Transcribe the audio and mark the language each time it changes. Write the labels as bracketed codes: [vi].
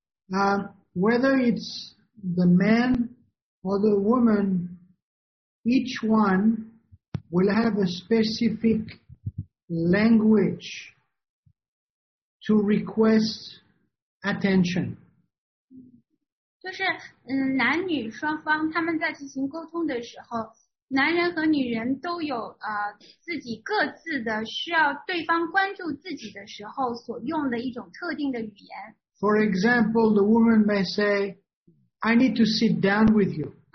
[en] Whether it's the man or the woman, each one will have a specific language to request attention. [zh] 就是男女双方他们在进行沟通的时候，男人和女人都有自己各自的需要对方关注自己的时候所用的一种特定的语言。 [en] For example, the woman may say, I need to sit down with you.